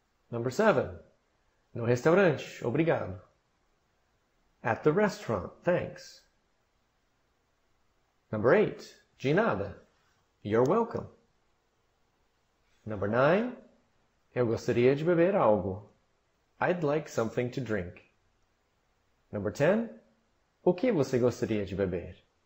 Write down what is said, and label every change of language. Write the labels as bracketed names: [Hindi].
[English] Number 7. [Portuguese] No restaurante. Obrigado. [English] At the restaurant. Thanks. Number 8. [Portuguese] De nada. [English] You're welcome. Number 9. [Portuguese] Eu gostaria de beber algo. [English] I'd like something to drink. Number 10. [Portuguese] O que você gostaria de beber?